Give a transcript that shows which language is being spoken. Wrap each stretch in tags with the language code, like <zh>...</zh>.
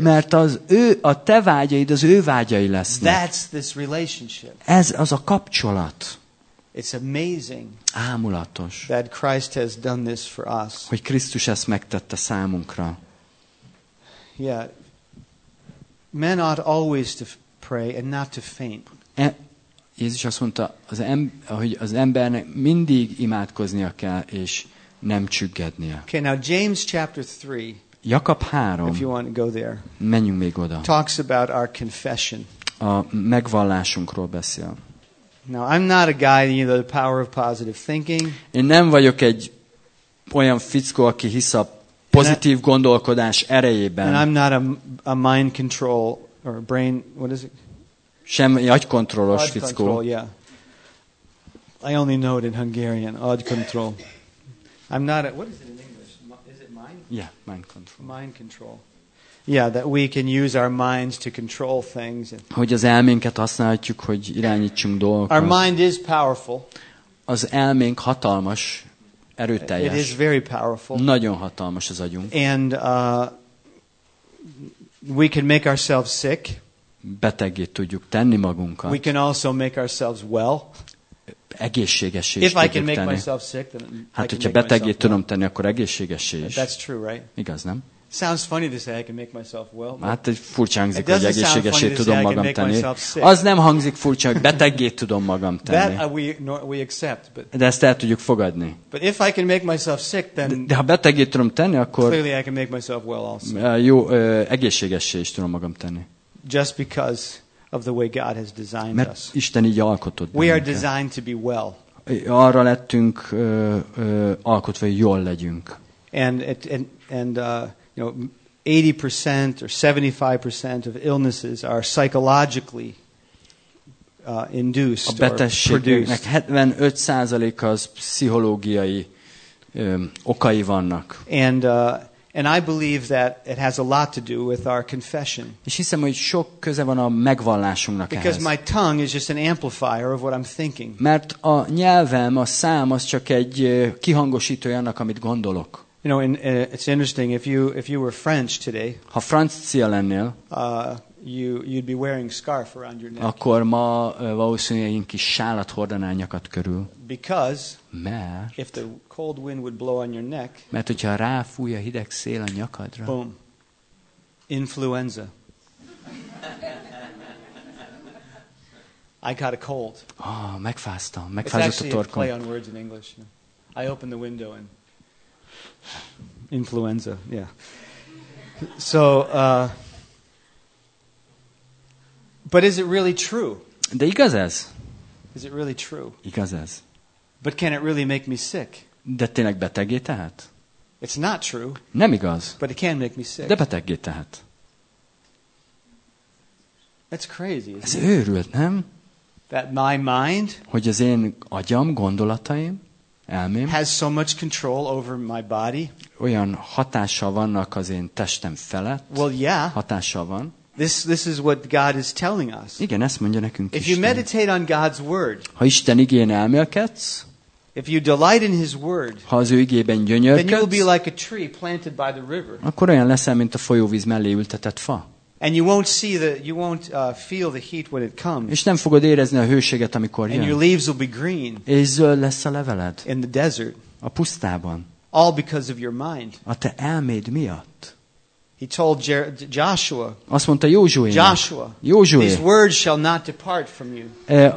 <hu>Mert az ő, a te vágyaid az ő vágyai lesznek. Ez az a kapcsolat.</hu> <en>It's amazing.</en> <hu>Ámulatos.</hu> <en>That Christ has done this for us.</en> <hu>Hogy Krisztus ezt megtette számunkra.</hu> <en>Yeah. Men ought always to pray and not to faint.</en> <hu>Jézus azt mondta, hogy az embernek mindig imádkoznia kell és nem csüggednie.</hu> <en>Okay, now James chapter 3.</en> <hu>Jakab 3.</hu> <en>If you want to go there.</en> <hu>Menjünk még oda.</hu> <en>Talks about our confession.</en> <hu>A megvallásunkról beszél.</hu> <en>Now I'm not a guy, you know, the power of positive thinking.</en> <hu>Én nem vagyok egy olyan fickó, aki hisz a pozitív gondolkodás erejében.</hu> <en>And I'm not a mind control or a brain, what is it?</en> <hu>Sem egy agykontrollos fickó.</hu> <en>Control, yeah. I only know it in Hungarian, agykontroll. I'm not a, what is it in English? Is it mind? Yeah, mind control. Mind control. Yeah, that we can use our minds to control things.</en> <hu>Hogy az elménket használhatjuk, hogy irányítsunk dolgokat.</hu> <en>Our mind is powerful.</en> <hu>Az elménk hatalmas, erőteljes.</hu> <en>It is very powerful.</en> <hu>Nagyon hatalmas az agyunk.</hu> <en>And we can make ourselves sick.</en> <hu>Beteggé tudjuk tenni magunkat.</hu> <en>We can also make ourselves well.</en> <hu>Egészségessé is tudjuk tenni. Hát, hogyha beteggé tudom tenni, akkor egészségessé is.</hu> <en>That's true, right?</en> <hu>Igaz, nem?</hu> <en>Sounds funny to say I can make myself well.</en> <hu>Hát egy furcsa hangzik, hogy egészségesé tudom magam tenni. Az nem hangzik furcsa, hogy beteggé tudom magam tenni.</hu> <en>We accept, but</en> <hu>de ezt el tudjuk fogadni.</hu> <en>But if I can make myself sick, then</en> <hu>de ha beteggé tudom tenni, akkor</hu> <en>clearly I can make myself well also.</en> <hu>Jó, egészségesé is tudom magam tenni.</hu> <en>Just because of the way God has designed</en> <hu>mert</hu> <en>us.</en> <hu>Mert Isten így alkotott bennünket.</hu> <en>We are designed to be well.</en> <hu>Arra lettünk alkotva, hogy jól legyünk.</hu> <en>You know, 80% or 75% of illnesses are psychologically induced or produced.</en> <hu>75% az pszichológiai okai vannak.</hu> <en>And I believe that it has a lot to do with our confession.</en> <hu>És hiszem, hogy sok köze van a megvallásunknak ehhez.</hu> <en>Because my tongue is just an amplifier of what I'm thinking.</en> <hu>Mert a nyelvem, a szám az csak egy kihangosítója annak, amit gondolok.</hu> <en>You know, it's interesting if you were French today.</en> <hu>Ha francia lennél,</hu> <en>you'd be wearing scarf around your neck.</en> <hu>Akkor ma valószínűleg egy kis sálat hordanál nyakad körül.</hu> <en>Because</en> <hu>mert,</hu> <en>if the cold wind would blow on your neck.</en> <hu>Mert hogyha ráfúj a hideg szél a nyakadra.</hu> <en>Boom. Influenza. I got a cold.</en> <hu>Ah, megfáztam, megfázott a torkom.</hu> <en>Play on words in English. I open the window and influenza, yeah. So, but is it really true?</en> <hu>De igaz ez?</hu> <en>Is it really true?</en> <hu>Igaz ez?</hu> <en>But can it really make me sick?</en> <hu>De tényleg beteggé tehet?</hu> <en>It's not true.</en> <hu>Nem igaz.</hu> <en>But it can make me sick.</en> <hu>De beteggé tehet.</hu> <en>That's crazy.</en> <hu>Ez őrült, nem?</hu> <en>That my mind.</en> <hu>Hogy az én agyam, gondolataim. Elmém.</hu> <en>Has so much control over my body.</en> <hu>Olyan hatással vannak az én testem felett.</hu> <en>Well, yeah.</en> <hu>Hatással van.</hu> <en>This is what God is telling us.</en> <hu>Igen, ezt mondja nekünk</hu> <en>if</en> <hu>Isten.</hu> <en>You meditate on God's word.</en> <hu>Ha Isten igén elmélkedsz.</hu> <en>If you delight in his word.</en> <hu>Ha az ő igében gyönyörködsz.</hu> <en>Then you will be like a tree planted by the river.</en> <hu>Akkor olyan leszel, mint a folyóvíz mellé ültetett fa.</hu> <en>And you won't see the you won't feel the heat when it comes.</en> <hu>És nem fogod érezni a hőséget, amikor jön.</hu> <en>And your leaves will be green.</en> <hu>És zöld lesz a leveled.</hu> <en>In the desert.</en> <hu>A pusztában.</hu> <en>All because of your mind.</en> <hu>A te elméd miatt.</hu> <en>He told Joshua.</en> <hu>Azt mondta Józsuének.</hu> <en>Joshua.</en> <hu>Józsué.</hu> <en>These words shall not depart from you.</en>